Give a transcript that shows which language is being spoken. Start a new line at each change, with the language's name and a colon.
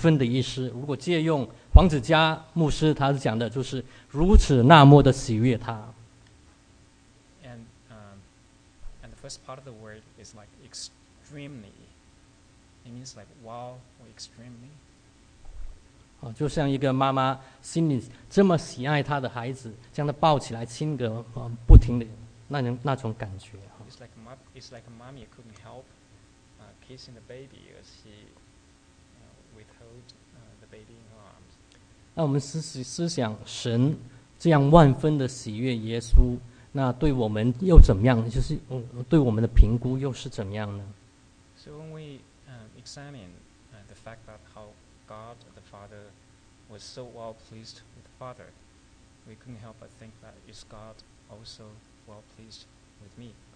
Chinese: eudokia是十分万分的意思如果借用 黄子佳牧师他是讲的就是如此那么的喜悦他
English: and the first part of the word is like extremely it means like wow or extremely
Chinese: 就像一个妈妈心里这么喜爱她的孩子将她抱起来亲个不停的那种感觉
English: it's like a mommy couldn't help kissing the baby as she withhold the baby in her arms
Chinese: 那我们思想神这样万分的喜悦耶稣 那对我们又怎么样 就是对我们的评估又是怎么样呢
English: So when we examine the fact that how God the Father was so well pleased with the Father we couldn't help but think that is God also well pleased with me